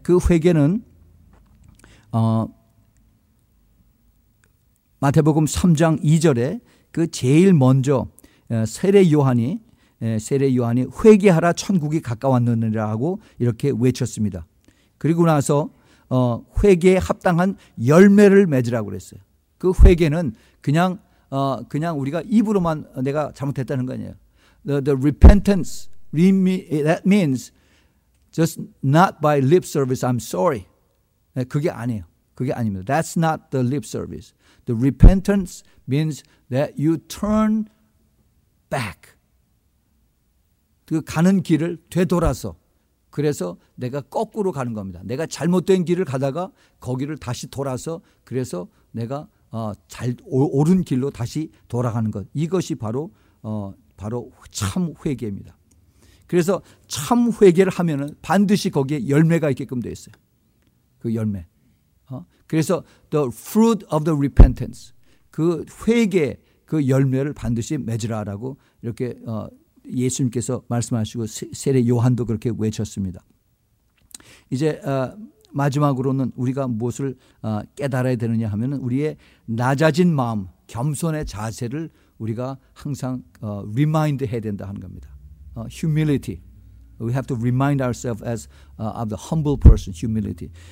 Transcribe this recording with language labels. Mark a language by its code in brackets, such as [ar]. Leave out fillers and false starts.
[ko] 회개는 마태복음 3장 2절에 그 제일 먼저 세례 요한이 회개하라 천국이 가까웠느니라고 이렇게 외쳤습니다. 그리고 나서 회개에 합당한 열매를 맺으라고 그랬어요. 그 회개는 그냥 우리가 입으로만 내가 잘못했다는 거 아니에요. [en] The repentance that means just not by lip service. I'm sorry. [ko] 그게 아니에요. 그게 아닙니다. [en] That's not the lip service. The repentance means that you turn back. [ko] 그 가는 길을 되돌아서. 그래서 내가 거꾸로 가는 겁니다. 내가 잘못된 길을 가다가 거기를 다시 돌아서 그래서 내가 옳은 길로 다시 돌아가는 것. 이것이 바로 참 회개입니다. 그래서 참 회개를 하면은 반드시 거기에 열매가 있게끔 되어 있어요. 그 열매. 그래서 [en] the fruit of the repentance. [ko] 그 회개 그 열매를 반드시 맺으라라고 이렇게 예수님께서 말씀하시고 세례 요한도 그렇게 외쳤습니다. 이제 마지막으로는 우리가 무엇을 깨달아야 되느냐 하면 우리의 낮아진 마음, 겸손의 자세를 우리가 항상 remind 해야 된다 하는 겁니다. [en] Humility. We have to remind ourselves as of the humble person, humility.